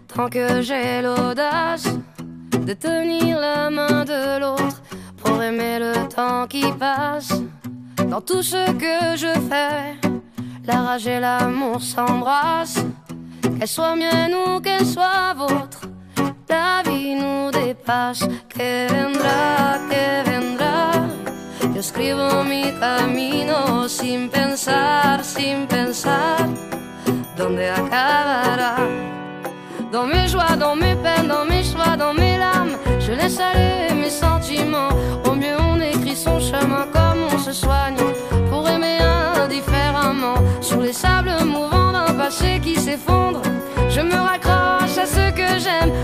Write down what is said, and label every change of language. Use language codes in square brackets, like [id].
[fr] que j'ai l'audace de tenir la main de l'autre pour aimer le temps qui passe. Dans tout ce que je fais, la rage et l'amour s'embrassent. Qu'elle soit mienne ou qu'elle soit vôtre, la vie nous dépasse. [es] Que vendra, que vendra. Yo escribo mi camino sin pensar, sin pensar dónde acabará. [fr] Dans mes joies, dans mes peines, dans mes choix, dans mes larmes, je laisse aller mes sentiments. Au mieux on écrit son chemin comme on se soigne pour aimer indifféremment. Sur les sables mouvants d'un passé qui s'effondre, je me raccroche à ce que j'aime.